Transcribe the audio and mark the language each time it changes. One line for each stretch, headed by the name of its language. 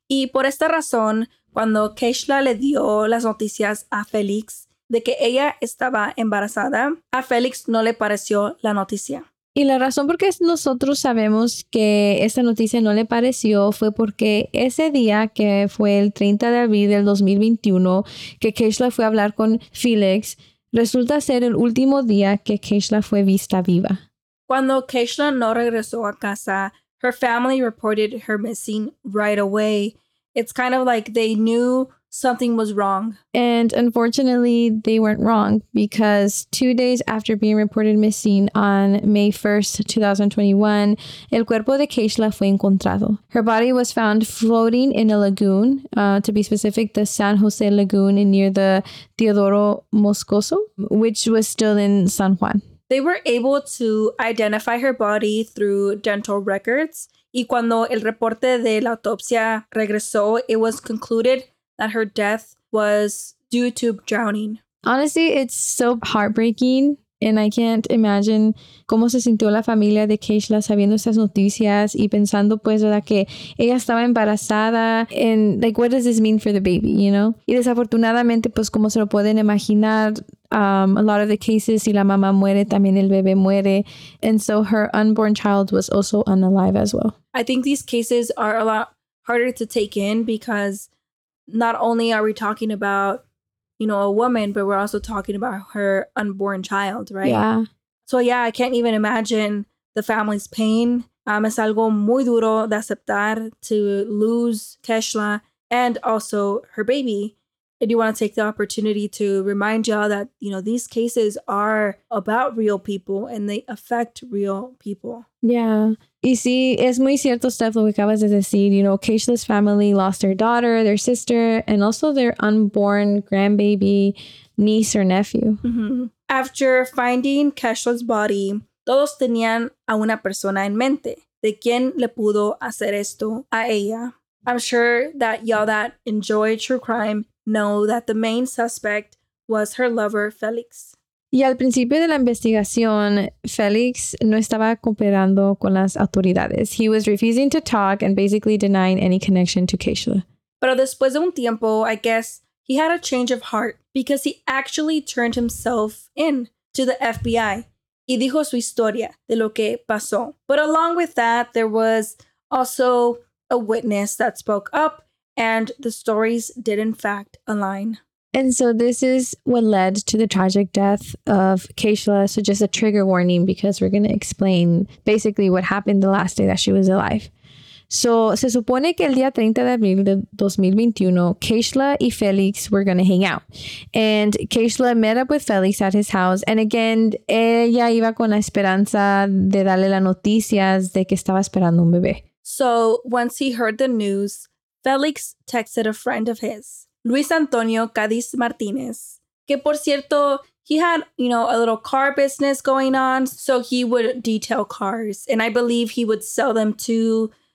Spanish: Y por esta razón, cuando Keishla le dio las noticias a Félix de que ella estaba embarazada, a Félix no le pareció la noticia. Y la razón por qué nosotros sabemos que esta noticia no le pareció fue porque ese día, que fue el 30 de abril del 2021, que Keishla fue a hablar con Félix, resulta ser el último día que Keishla fue vista viva. Cuando Keishla no regresó a casa,
English: her family reported her missing right away. It's kind of like they knew something was wrong. And unfortunately, they weren't wrong, because 2 days after being reported missing on May 1st, 2021,
Spanish: el cuerpo de Keishla fue encontrado.
English: Her body was found floating in a lagoon, to be specific, the San Jose Lagoon near the Teodoro Moscoso, which was still in San Juan. They were able to identify her body through dental records.
Spanish: Y cuando el reporte de la autopsia regresó,
English: it was concluded that her death was due to drowning. Honestly, it's so heartbreaking. And I can't imagine
Spanish: cómo se sintió la familia de Keishla sabiendo estas noticias y pensando, pues, ¿verdad?, que ella estaba embarazada.
English: And, like, what does this mean for the baby, you know?
Spanish: Y desafortunadamente, pues, como se lo pueden imaginar,
English: a lot of the cases,
Spanish: si la mamá muere, también el bebé muere.
English: And so her unborn child was also unalive as well. I think these cases are a lot harder to take in, because not only are we talking about, you know, a woman, but we're also talking about her unborn child, right? Yeah. So, yeah, I can't even imagine the family's pain.
Spanish: Es algo muy duro de aceptar
English: to lose Keishla and also her baby. And you want to take the opportunity to remind y'all that, you know, these cases are about real people and they affect real people. Yeah.
Spanish: Y sí, es muy cierto, Steph, lo que acabas de decir.
English: You know, Keishla's family lost their daughter, their sister, and also their unborn grandbaby, niece, or nephew. Mm-hmm. After finding Keishla's body,
Spanish: todos tenían a una persona en mente. ¿De quién le pudo hacer esto a ella?
English: I'm sure that y'all that enjoy true crime know that the main suspect was her lover, Felix.
Spanish: Y al principio de la investigación, Félix no estaba cooperando con las autoridades.
English: He was refusing to talk and basically denying any connection to Keishla.
Spanish: Pero después de un tiempo,
English: I guess, he had a change of heart, because he actually turned himself in to the FBI
Spanish: y dijo su historia de lo que pasó.
English: But along with that, there was also a witness that spoke up, and the stories did in fact align. And so this is what led to the tragic death of Keishla. So just a trigger warning, because we're going to explain basically what happened the last day that she was alive.
Spanish: So se supone que el día 30 de abril de 2021, Keishla y Felix
English: were going to hang out. And Keishla met up with Felix at his house. And again,
Spanish: ella iba con la esperanza de darle las noticias de que estaba esperando un bebé.
English: So once he heard the news, Felix texted a friend of his, Luis Antonio Cadiz Martinez,
Spanish: que por cierto,
English: he had, you know, a little car business going on, so he would detail cars, and I believe he would sell them too.